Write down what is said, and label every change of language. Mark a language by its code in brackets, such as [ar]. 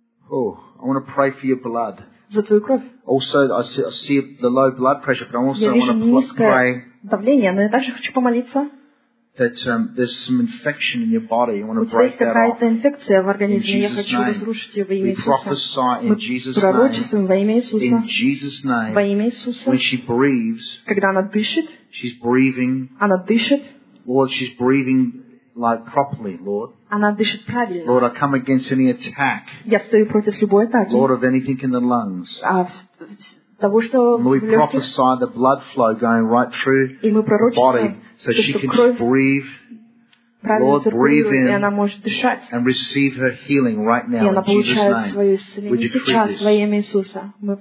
[en] Oh, I want to pray for your blood. [ru] За твою кровь. [en] Also, I see the low blood pressure, but I also want to pray. [ru] Я вижу низкое давление, но я также хочу помолиться. [en] That there's some infection in your body. You want to break that off. [ru] У тебя есть какая-то инфекция в организме. Я хочу разрушить ее во имя Иисуса. [en] We prophesy in Jesus' name. [ru] Мы пророчествуем во имя Иисуса. [en] In Jesus' name. [ru] Во имя Иисуса. [en] When she breathes. [ru] Когда она дышит. [en] She's breathing. [ru] Она дышит. [en] Lord, she's breathing like properly, Lord. [ru] Она дышит правильно. [en] Lord, I come against any attack. [ru] Я стою против любой атаки. [en] Lord, of anything in the lungs. [ru] Того, что [en] and we prophesy the blood flow going right through her body. So [ru] что [en] she can breathe, Lord, breathe in and receive her healing right now in Jesus' name. Would you